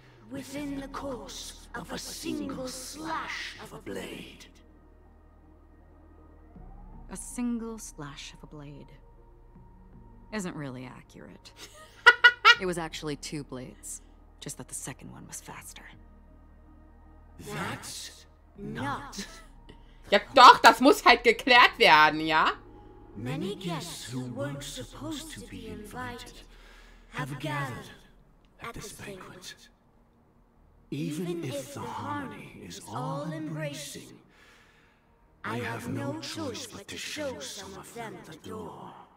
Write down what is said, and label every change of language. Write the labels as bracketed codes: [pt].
[en] Within the course of a single slash of a blade. A single slash of a blade isn't really accurate. It was actually two blades, just that the second one was faster. That's not. [de] Ja, doch, das muss halt geklärt werden, ja? [en] Many guests who weren't supposed to be invited have gathered at this banquet. Even if the harmony is all embracing, I have no choice but to show some of them the door.